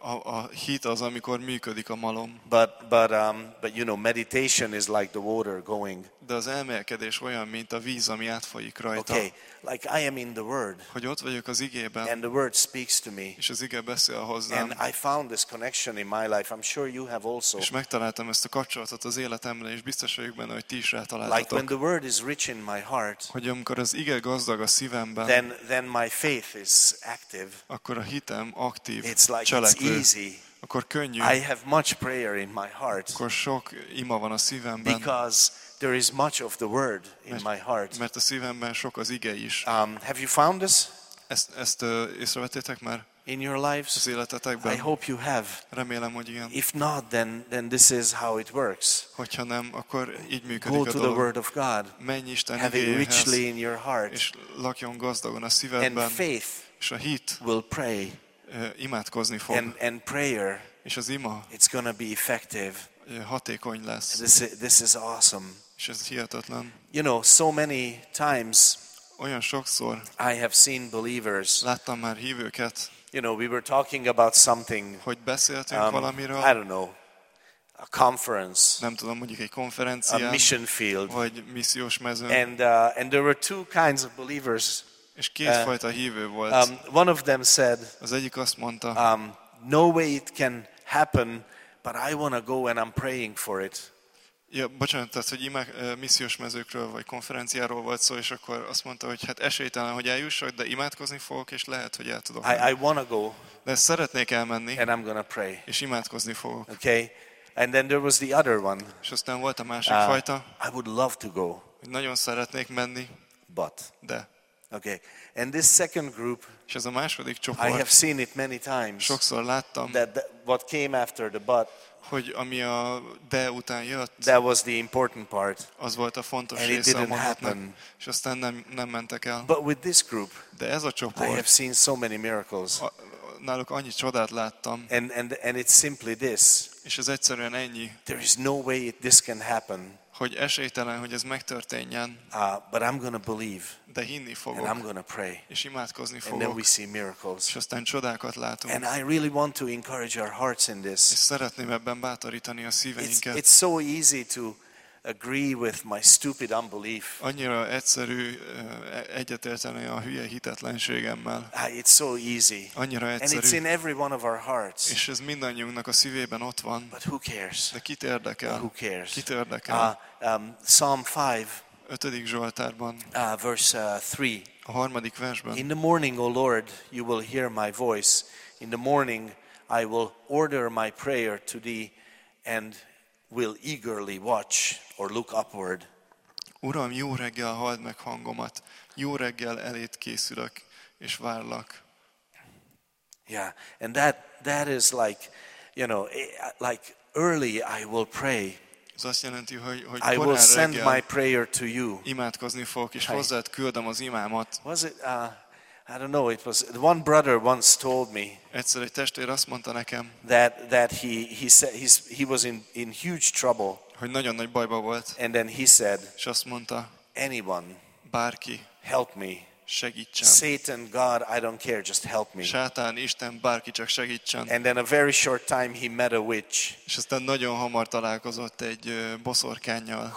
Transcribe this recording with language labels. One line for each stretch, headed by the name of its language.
Hungarian: A hit az, amikor működik a malom.
English: But you know, meditation is like the water going.
Hungarian: De az elmélkedés olyan, mint a víz, ami átfolyik rajta.
English: Okay, like I am in the word.
Hungarian: Hogy ott vagyok az igében.
English: And the word speaks to me.
Hungarian: És az ige beszél hozzám.
English: And I found this connection in my life. I'm sure you have also.
Hungarian: És megtaláltam ezt a kapcsolatot az életemben, és biztos vagyok benne, hogy ti is rátaláltatok.
English: Like when the word is rich in my heart.
Hungarian: Hogy amikor az ige gazdag a szívemben.
English: Then my faith is active.
Hungarian: Akkor a hitem aktív.
English: It's like
Hungarian: cselekvő.
English: Easy.
Hungarian: Akkor könnyű.
English: I have much prayer in my heart.
Hungarian: Akkor sok ima van a szívemben.
English: Because there is much of the word in my heart.
Hungarian: Mert a szívemben sok az ige is.
English: Have you found this?
Hungarian: Ezt észrevettétek már?
English: In your lives?
Hungarian: Az életetekben?
English: I hope you have.
Hungarian: Remélem, hogy igen.
English: If not, then this is how it works.
Hungarian: Hogyha nem, akkor így működik.
English: Go
Hungarian: a dolog.
English: To the word of God.
Hungarian: Menj Isten
English: have
Hungarian: igéhez,
English: it richly in your heart.
Hungarian: És lakjon gazdagon a szívedben.
English: And faith,
Hungarian: és a hit,
English: will pray.
Hungarian: Imádkozni fog.
English: And prayer,
Hungarian: és az ima,
English: it's gonna be effective.
Hungarian: hatékony lesz.
English: This is awesome.
Hungarian: És ez hihetetlen.
English: You know, so many times
Hungarian: olyan sokszor
English: I have seen believers,
Hungarian: láttam már hívőket,
English: you know, we were talking about something,
Hungarian: hogy beszéltünk valamiről,
English: I don't know, a conference,
Hungarian: nem tudom, mondjuk egy konferencia,
English: a mission field,
Hungarian: vagy missziós mezőn,
English: and there were two kinds of believers,
Hungarian: és kétfajta hívő volt.
English: One of them said,
Hungarian: az egyik azt mondta,
English: no way it can happen, but I want to go and I'm praying for it.
Hungarian: Ja, bocsánat, tehát, hogy missziós mezőkről vagy konferenciáról volt szó, és akkor azt mondta, hogy hát esélytelen, hogy eljussak, de imádkozni fogok, és lehet, hogy el tudok.
English: I want to go.
Hungarian: De szeretnék elmenni.
English: And I'm gonna pray.
Hungarian: És imádkozni fogok.
English: Okay. And then there was the other one.
Hungarian: És aztán volt a másik fajta.
English: I would love to go.
Hungarian: Hogy nagyon szeretnék menni.
English: But.
Hungarian: De.
English: Okay. And this second group.
Hungarian: És ez a második csoport.
English: I have seen it many times.
Hungarian: Sokszor láttam.
English: That what came after the but.
Hungarian: Hogy ami a de után jött,
English: that was the important part,
Hungarian: az volt a fontos
English: and
Hungarian: része,
English: it didn't happen.
Hungarian: És aztán nem mentek el.
English: But with this group,
Hungarian: de ez a csoport,
English: I have seen so many miracles.
Hungarian: Náluk annyi csodát láttam.
English: And it's simply this.
Hungarian: És ez egyszerűen ennyi.
English: There is no way this can happen.
Hungarian: Hogy esélytelen, hogy ez megtörténjen.
English: But I'm gonna believe.
Hungarian: De hinni fogok.
English: And I'm gonna pray.
Hungarian: És imádkozni fogok.
English: And then we see miracles.
Hungarian: És aztán csodákat látunk.
English: And I really want to encourage our hearts in this.
Hungarian: És szeretném ebben bátorítani a szíveinket.
English: It's so easy to agree with my stupid unbelief.
Hungarian: Annyira egyszerű egyetérteni a hülye hitetlenségemmel.
English: It's so easy.
Hungarian: Annyira egyszerű.
English: And it's in every one of our hearts.
Hungarian: És ez mindannyiunknak a szívében ott van.
English: But who cares?
Hungarian: De kit érdekel?
English: Who cares?
Hungarian: Kit érdekel?
English: Psalm 5.
Hungarian: 5. Zsoltárban.
English: Verse 3.
Hungarian: A harmadik versben.
English: In the morning, O Lord, you will hear my voice. In the morning, I will order my prayer to thee and will eagerly watch or look upward.
Hungarian: Uram, jó reggel halld meg hangomat. Jó reggel eléd készülök és várlak.
English: Yeah, and that is like, you know, like early I will pray.
Hungarian: Ez azt jelenti, hogy
English: I will send my prayer to you.
Hungarian: Imádkozni fogok és hozzád küldöm az imámat.
English: Was it I don't know, it was one brother once told me.
Hungarian: Egyszer egy testvér azt mondta nekem,
English: that he was in huge trouble.
Hungarian: Hogy nagyon nagy bajba volt.
English: And then he said,
Hungarian: és azt mondta,
English: anyone,
Hungarian: bárki,
English: help me,
Hungarian: segítsen.
English: Satan, God, I don't care, just help me.
Hungarian: Sátán, Isten, bárki, csak segítsen.
English: And then a very short time he met a witch.
Hungarian: És aztán nagyon hamar találkozott egy boszorkánnyal,